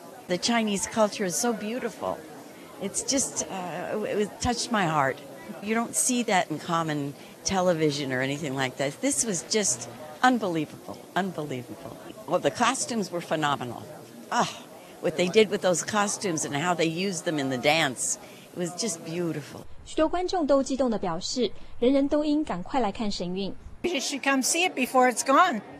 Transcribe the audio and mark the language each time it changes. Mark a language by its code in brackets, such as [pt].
[en] The Chinese culture is so beautiful. It's just, it touched my heart. You don't see that in common television or anything like that. This was just unbelievable, unbelievable. Well, the costumes were phenomenal. Oh, what they did with those costumes and how they used them in the dance, it was just beautiful. [zh] 许多观众都激动地表示，人人都应赶快来看神韵。 [en] You should come see it before it's gone.